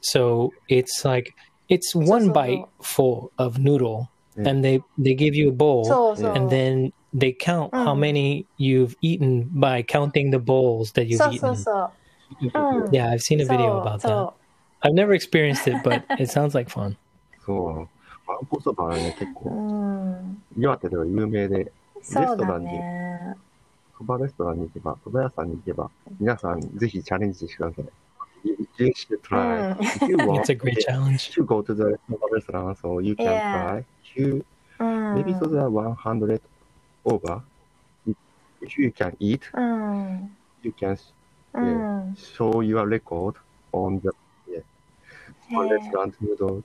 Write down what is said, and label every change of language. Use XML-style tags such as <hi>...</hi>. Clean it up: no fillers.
<en>So it's like it's one bite full of noodle, and they give you a bowl, and then they count how many you've eaten by counting the bowls that you've eaten. Yeah, I've seen a video about that. I've never experienced it, but it sounds like fun.</en> <ja>ワンコそばはね、結構、岩手では有名で、レストランに、そばレストランに行けば、そば屋さんに行けば、皆さんぜひチャレンジしてください。</ja> <en>You should try. If you want, it's a great challenge. If you go to the soba restaurant, so you can try. Maybe so there are 100 over. If you can eat, you can show your record on the soba restaurant noodles.</en>